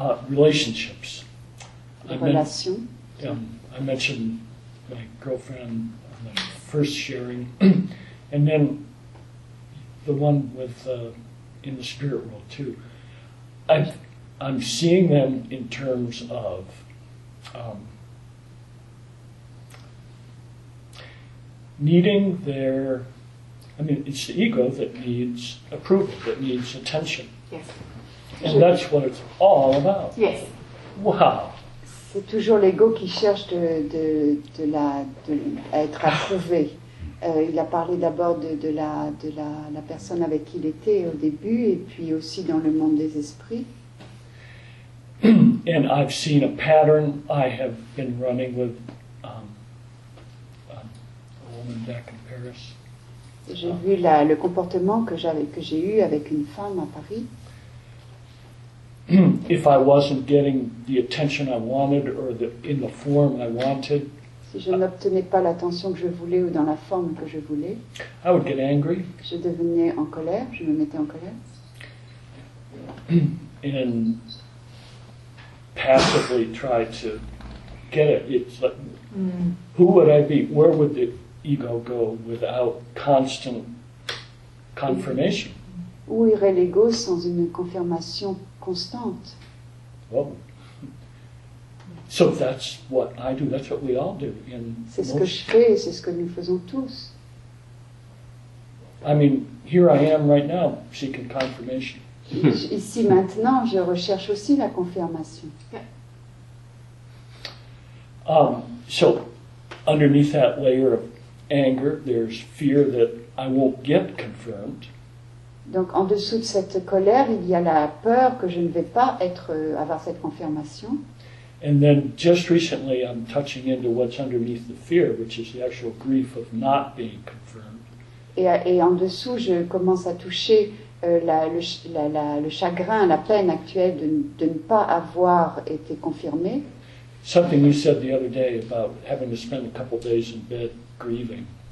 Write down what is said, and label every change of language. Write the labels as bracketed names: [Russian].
[English] Relationships. [French] Relations. [English] I mentioned my girlfriend on the first sharing, and then the one with. In the spirit world too, I'm seeing them in terms of um, needing their, I mean, it's the ego that needs approval, that needs attention. Yes. And that's what it's all about. Yes. Wow. [French] C'est toujours l'ego qui cherche de être approuvé. Il a parlé d'abord de la personne avec qui il était au début, et puis aussi dans le monde des esprits. [English] And I've seen a pattern. I have been running with a woman back in Paris. [French] J'ai vu le comportement que j'ai eu avec une femme à Paris. [English] If I wasn't getting the attention I wanted or in the form I wanted, [French] si je n'obtenais pas l'attention que je voulais ou dans la forme que je voulais, [English] I would get angry. [French] Je devenais en colère, je me mettais en colère. [English] And passively try to get it. It's like, who would I be? Where would the ego go without constant confirmation? [French] Où irait l'ego sans une confirmation constante? [English] Well, so that's what I do. That's what we all do. In [French] c'est ce que je fais. C'est ce que nous faisons tous. [English] I mean, here I am right now seeking confirmation. [French] Ici maintenant, je recherche aussi la confirmation. [English] So, underneath that layer of anger, there's fear that I won't get confirmed. [French] Donc en dessous de cette colère, il y a la peur que je ne vais pas avoir cette confirmation. [English] And then just recently I'm touching into what's underneath the fear, which is the actual grief of not being confirmed. [French] Et en dessous, je commence à toucher le chagrin, la peine actuelle de ne pas avoir été confirmé. [English] Something you said the other day about having to spend a couple days in bed grieving.